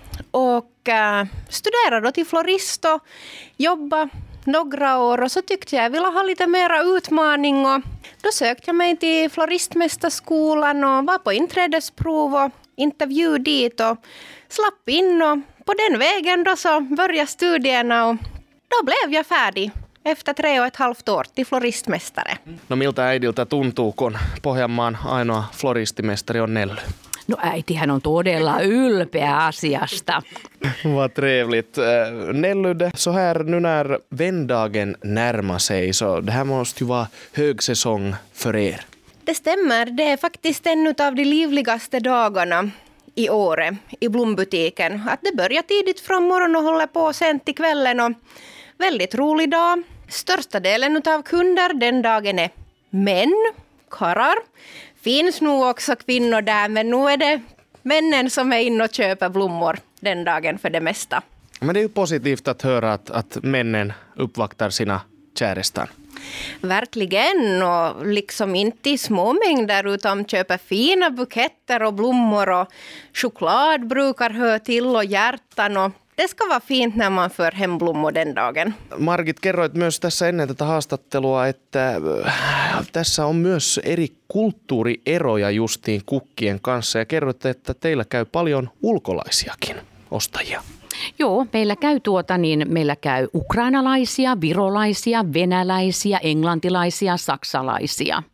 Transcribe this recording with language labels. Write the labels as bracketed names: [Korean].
[Swedish] Och studerade då till florist och jobba några år och så tyckte jag ville ha lite mera utmaning och då sökte jag mig till floristmästarskolan och var på inträdesprov och intervju dit och slapp in och på den vägen då så började studierna och då blev jag färdig efter 3,5 år till floristmästare. [Finnish] No miltä äidiltä tuntuu, kun Pohjanmaan ainoa floristimästari on Nelly? No äitihän on todella ylpeä asiasta. [Swedish] Vad trevligt. Nelly, så här nu när vändagen närmar sig, så det här måste ju vara högsäsong för er. Det stämmer. Det är faktiskt en av de livligaste dagarna i året i blombutiken. Att det börjar tidigt från morgon och håller på sent till kvällen. Och väldigt rolig dag. Största delen av kunder den dagen är män, karar. Finns nog också kvinnor där, men nu är det männen som är inne och köper blommor den dagen för det mesta. Men det är ju positivt att höra att männen uppvaktar sina kärestan. Verkligen, och liksom inte i små mängder utan köper fina buketter och blommor och choklad brukar höra till och hjärtan och det ska vara fint när man för hem blommor den dagen. [Finnish] Margit, kerroit myös tässä ennen tätä haastattelua, että tässä on myös eri kulttuurieroja justiin kukkien kanssa. Ja kerroit, että teillä käy paljon ulkolaisiakin ostajia. Joo, meillä käy meillä käy ukrainalaisia, virolaisia, venäläisiä, englantilaisia, saksalaisia.